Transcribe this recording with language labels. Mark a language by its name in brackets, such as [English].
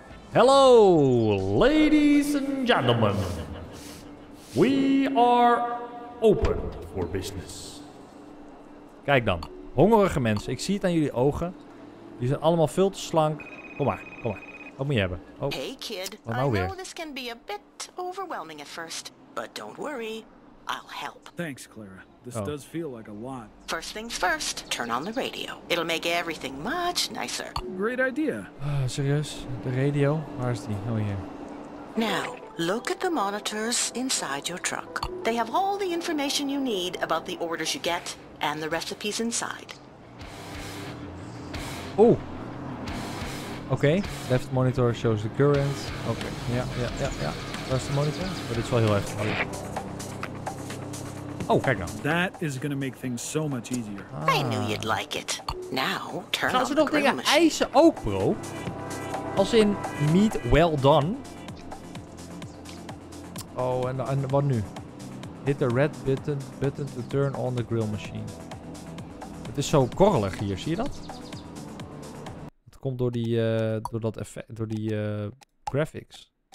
[English] Hello, ladies and gentlemen. We are open for business. [Dutch] Kijk dan, hongerige mensen. Ik zie het aan jullie ogen. Die zijn allemaal veel te slank. Kom maar, kom maar. Wat moet je hebben? Oh. [English] Hey kid, [Dutch] wat nou weer? [English] I know this can be a bit overwhelming at first, but don't worry, I'll help. Thanks, Clara. This does feel like a lot. First things first, turn on the radio. It'll make everything much nicer. Great idea. [Dutch] Serieus? De radio? Waar is die? Oh, hier. [English] Now, look at the monitors inside your truck. They have all the information you need about the orders you get and the recipes inside. Oh. Oké, left monitor shows the current. [Dutch] Oké, ja. Waar is de monitor? Dit is wel heel erg. Oh, kijk nou. [English] That is gonna make things so much easier. Ah. I knew you'd like it. Now, turn [Dutch] gaan ze nog dingen eisen ook, bro? Als in [English] meat well done. [Dutch] Oh, en wat nu? [English] Hit the red button to turn on the grill machine. [Dutch] Het is zo korrelig hier, zie je dat? Het komt door die door dat effect, door die graphics.